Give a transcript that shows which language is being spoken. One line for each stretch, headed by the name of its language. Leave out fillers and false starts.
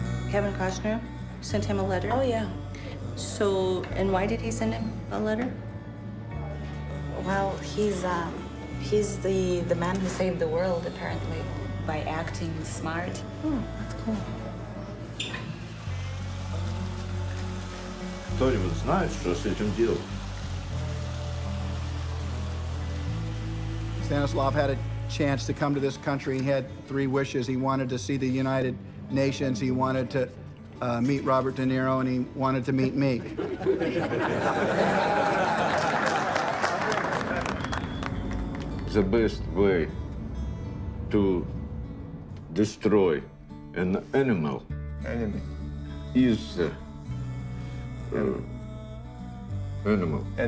English: Kevin Costner sent him a letter? Oh, yeah. So, and why did he send him a letter? Well, he's the man who saved the world, apparently, by acting smart. Hmm, that's cool.
Russian: Кто-нибудь знает, что с этим делать?
English: Stanislav had a chance to come to this country. He had three wishes. He wanted to see the United Nations. He wanted to meet Robert De Niro, and he wanted to meet me. The best way to destroy an animal is animal.